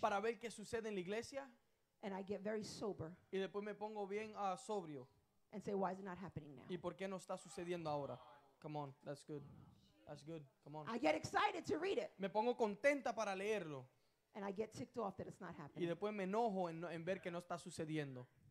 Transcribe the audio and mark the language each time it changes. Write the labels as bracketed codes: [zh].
[es] Para ver qué sucede en la iglesia. [en] And I get very sober. [es] Y después me pongo bien sobrio. [en] And say, why is it not happening now? [es] Y por qué no está sucediendo ahora. [en] Come on, that's good. That's good. Come on. I get excited to read it. [es] Me pongo contenta para leerlo. [en] And I get ticked off that it's not happening. [es] Y después me enojo en ver que no está sucediendo.